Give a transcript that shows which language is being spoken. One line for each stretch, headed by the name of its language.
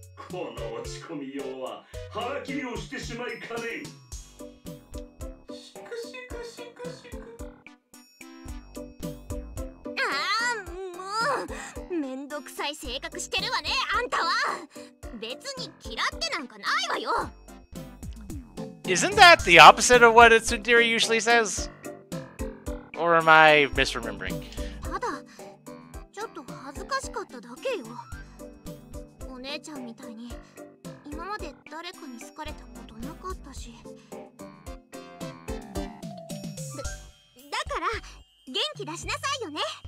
Japanese: この落ち込みようは腹切りをしてしまいかねん。シクシクシクシク。ああ、もうめんどくさい性格してるわね、あんたは。別に嫌ってなんかないわよ。
English: Isn't that the opposite of what Tsundere usually says? Or am I misremembering?
Japanese: ただ、ちょっと恥ずかしかっただけよ。お姉ちゃんみたいに、今まで誰かに好かれたことなかったし。だから、元気出しなさいよね。